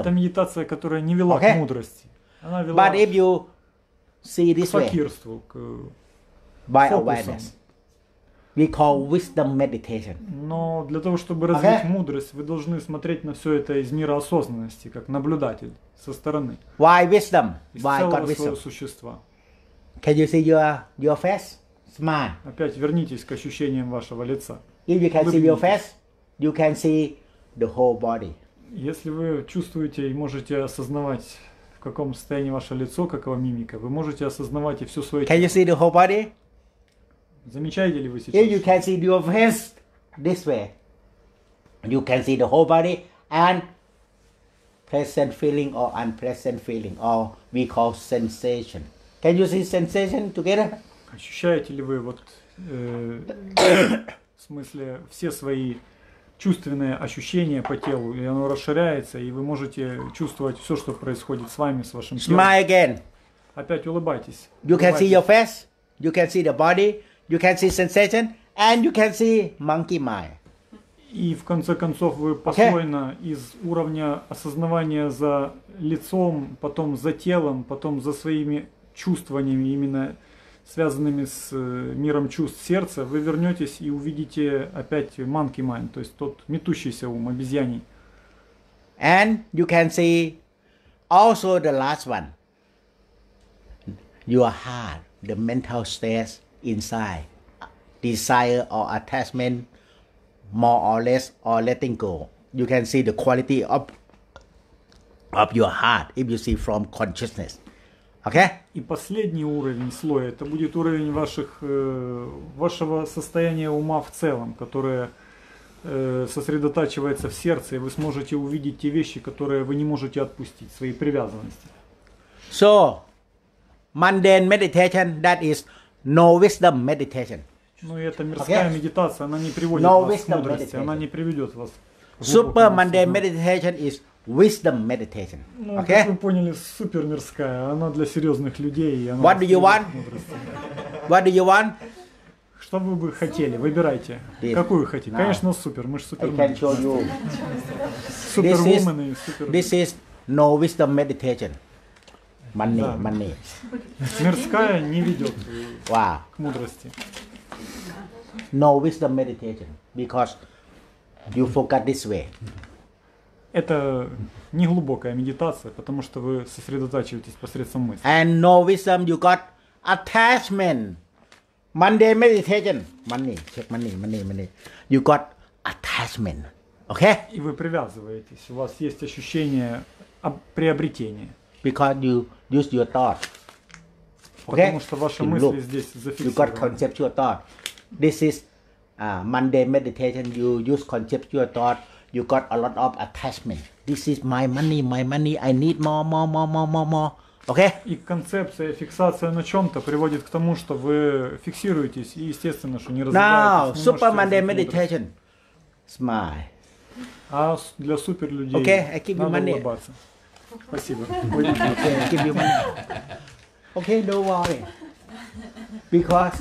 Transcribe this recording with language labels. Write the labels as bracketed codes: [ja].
[ru] Это медитация, которая не вела к мудрости. Она вела [en] But if you see this [ru] к факирству, [en] way, by awareness, we call wisdom meditation. [ru] Но для того, чтобы развить мудрость, вы должны смотреть на все это из мира осознанности, как наблюдатель со стороны. [en] Why wisdom? Why God wisdom? [ru] Существа. [en] Can you see your face? Smile. [ru] Опять вернитесь к ощущениям вашего лица. [en] If you can see your face, you can see the whole body. [ru] Если вы чувствуете и можете осознавать, в каком состоянии ваше лицо, какова мимика, вы можете осознавать и все свое тело. [en] Can you see the whole body? [ru] Замечаете ли вы сейчас? [en] Here you can see your wrist this way. You can see the whole body and pleasant feeling or unpleasant feeling, or we call sensation. Can you see sensation together? [ru] Ощущаете ли вы вот в смысле все свои чувственные ощущения по телу, и оно расширяется, и вы можете чувствовать все, что происходит с вами, с вашим телом. [en] Smile again. [ru] Опять улыбайтесь. [en] You can see your face, you can see the body, you can see sensation, and you can see monkey mind. [ru] И в конце концов вы построено из уровня осознавания за лицом, потом за телом, потом за своими чувствованиями, именно связанными с миром чувств сердца, вы вернетесь и увидите опять monkey mind, то есть тот метущийся ум обезьяний. [en] And you can see also the last one. Your heart, the mental state inside, desire or attachment, more or less, or letting go. You can see the quality of your heart if you see from consciousness. Okay? [ru] И последний уровень слоя, это будет уровень вашего состояния ума в целом, которое сосредотачивается в сердце, и вы сможете увидеть те вещи, которые вы не можете отпустить, свои привязанности. [en] So, mundane meditation, that is no wisdom meditation. [ru] Ну и эта мирская медитация, она не приводит no вас к мудрости, meditation. Она не приведет вас к глубокому [en] Super mundane meditation is wisdom meditation. [ru] Ну, [en] okay? [ru] Как вы поняли, супер мирская, она для серьезных людей. И она [en] What do you want? What do you want? [ru] Что вы бы хотели? Выбирайте. [en] This. [ru] Какую вы хотите? [en] No. [ru] Конечно, супер. Мы же супер. [en] I can show you. [ru] Супервумены и супер. [en] This is no wisdom meditation. Money, [ru] да. [en] Money. [ru] Мирская не ведет [en] wow. [ru] к мудрости. [en] No wisdom meditation, because you focus this way. [ru] Это не глубокая медитация, потому что вы сосредотачиваетесь посредством мысли. [en] And no wisdom, you got attachment. Monday meditation, money, check money, money, money. You got attachment, okay? [ru] И вы привязываетесь. У вас есть ощущение приобретения. [en] Because you use your thought. Okay? [ru] Потому что ваши мысли [en] look. [ru] Здесь зафиксированы. [en] You got conceptual thought. This is mundane meditation. You use conceptual thought. You got a lot of attachment. This is my money, I need more. Okay? [ru] И концепция фиксация на чем-то приводит к тому, что вы фиксируетесь и естественно, что не развиваетесь. [en] Now, super mundane meditation. Smile. [ru] А для супер людей [en] okay, I give you [ru] надо [en] money. [ru] Улыбаться. Спасибо. [en] Okay, I give you money. Okay, don't worry. Because